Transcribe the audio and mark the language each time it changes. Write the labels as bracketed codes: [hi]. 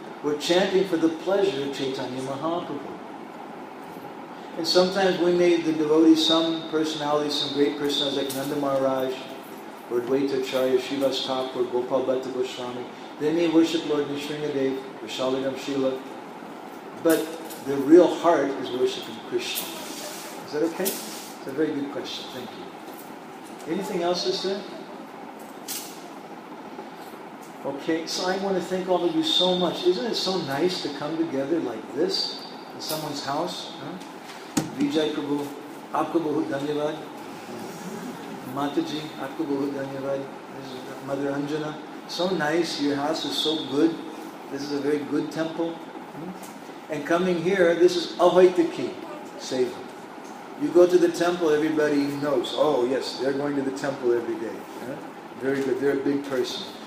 [en] We're chanting for the pleasure of Chaitanya Mahaprabhu. And sometimes we may, the devotees, some personalities, some great personalities like Nanda Maharaj, or Advaitacharya, Srivas Thakur, Gopal Bhatta Goswami, they may worship Lord Nrisimhadeva, or Shalagram Srila, but their real heart is worshiping Krishna. Is that okay? It's a very good question. Thank you. Anything else, sister? Okay, so I want to thank all of you so much. Isn't it so nice to come together like this in someone's house? [hi] विजय प्रभु, आपका बहुत धन्यवाद. माताजी, आपका बहुत धन्यवाद. [en] Mother Anjana, so nice. Your house is so good. This is a very good temple. And coming here, this is Ahoitaki Seva. You go to the temple, everybody knows. Oh, yes, they're going to the temple every day. Yeah? Very good. They're a big person.